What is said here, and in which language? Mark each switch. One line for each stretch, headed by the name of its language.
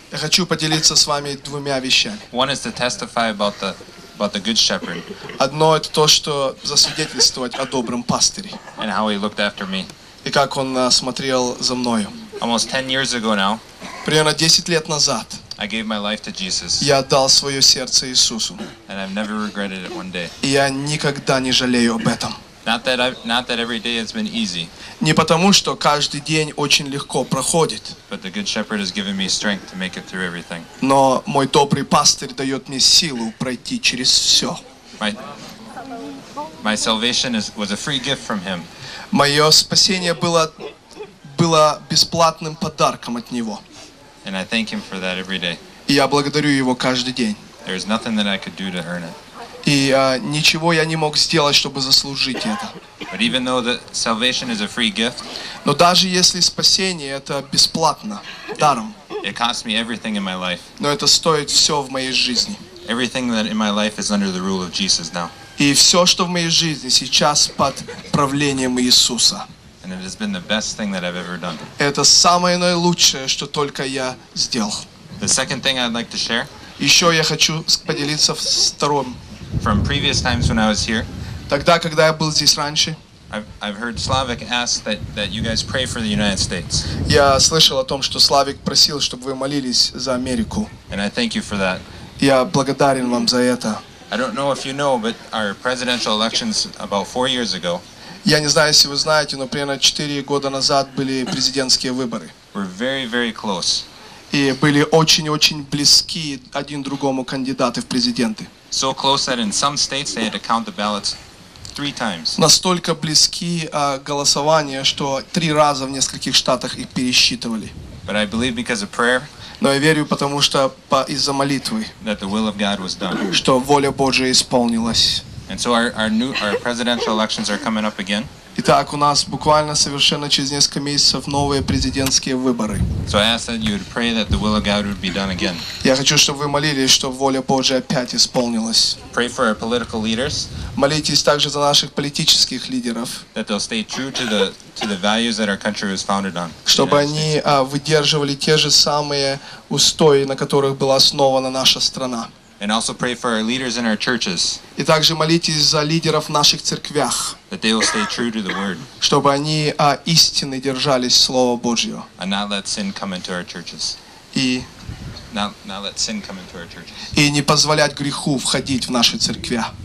Russian: Я хочу поделиться с вами двумя вещами.
English: One is to testify about the good shepherd.
Russian: Одно это то, что засвидетельствовать о добром пастыре.
English: And how he looked after me.
Russian: И как он смотрел за мною.
English: Almost 10 years ago now.
Russian: Примерно 10 лет назад.
English: I gave my life to Jesus.
Russian: Я отдал свое сердце Иисусу.
English: And I've never regretted it one day.
Russian: И я никогда не жалею об этом.
English: Not that every day has been easy.
Russian: Не потому, что каждый день очень легко проходит.
English: But the good shepherd has given me strength to make it through everything.
Russian: Но мой добрый пастырь дает мне силу пройти через все.
English: My salvation was a free gift from him.
Russian: Мое спасение было бесплатным подарком от него.
English: And I thank him for that every day.
Russian: И я благодарю его каждый день.
English: There is nothing that I could do to earn it.
Russian: И ничего я не мог сделать, чтобы заслужить это.
English: But even though the salvation is a free gift,
Russian: но даже если спасение это бесплатно, даром,
English: it cost me everything in my life.
Russian: Но это стоит все в моей жизни.
English: Everything that in my life is under the rule of Jesus now.
Russian: И все, что в моей жизни сейчас под правлением Иисуса.
English: And it has been the best thing that I've ever done.
Russian: Это самое наилучшее, что только я сделал.
English: The second thing I'd like to share.
Russian: Еще я хочу поделиться вторым.
English: From previous times when I was here.
Russian: Тогда, когда я был здесь раньше.
English: I've heard Slavik ask that you guys pray for the United States.
Russian: Я слышал о том, что Славик просил, чтобы вы молились за Америку.
English: And I thank you for that.
Russian: Я благодарен вам за это.
English: I don't know if you know, but our presidential elections about 4 years ago.
Russian: Я не знаю, если вы знаете, но примерно 4 года назад были президентские выборы.
English: We're very, very close.
Russian: И были очень-очень близки один другому кандидаты в президенты.
English: So close that in some states they had to count the ballots 3 times.
Russian: Настолько близки голосование, что 3 раза в нескольких штатах их пересчитывали.
English: But I believe because of prayer.
Russian: Но я верю, потому что из-за молитвы.
English: That the will of God was done.
Russian: Что воля Божия исполнилась.
English: And so our presidential elections are coming up again.
Russian: Итак, у нас буквально совершенно через несколько месяцев новые президентские выборы.
English: So I ask that you would pray that the will of God would be done again.
Russian: Я хочу, чтобы вы молились, чтобы воля Божия опять исполнилась.
English: Pray for our political leaders.
Russian: Молитесь также за наших политических лидеров.
English: That they'll stay true to the values that our country was founded on.
Russian: Чтобы они выдерживали те же самые устои, на которых была основана наша страна.
English: And also pray for our leaders in our churches.
Russian: И также молитесь за лидеров в наших церквях.
English: That they will stay true to the word.
Russian: Чтобы они истины держались слова Божьего.
English: And not let sin come into our churches.
Russian: И
English: not let sin come into our churches.
Russian: И не позволять греху входить в наши церкви.